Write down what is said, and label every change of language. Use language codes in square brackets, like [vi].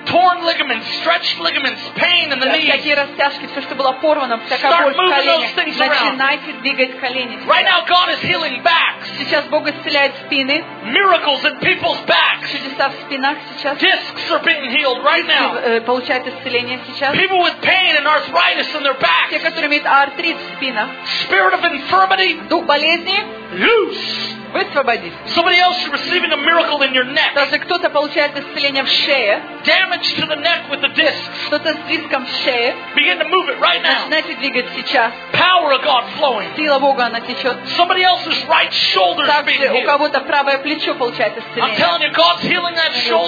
[en] torn ligaments, stretched ligaments, pain in the knees. [ru] Всякие растяжки, все, что было порвано, всякая боль в коленях. [en] Start moving those things around. [ru] Начинайте двигать колени. [en] Right now, God is healing backs. [ru] Сейчас Бог исцеляет спины. [en] Miracles in people's backs. [ru] Чудеса в спинах сейчас. [en] Discs are being healed right now. [ru] Получают исцеление сейчас. [en] People with pain and arthritis in their backs. [ru] Те, которые имеют артрит в спинах. [en] Spirit of infirmity. [ru] Дух болезни. [en] Loose. Somebody else is receiving a miracle in your neck. [ru] Даже кто-то получает исцеление в шее. [en] Damage to the neck with the discs. [ru] Что-то с диском в шее. [en] Begin to move it right now. [ru] Начинайте двигать сейчас. [en] Power of God flowing. [ru] Сила Бога она течет. [en] Somebody else's right shoulder is being healed. [ru] У кого-то правое плечо получает исцеление. [en] I'm telling you, God's healing that shoulder.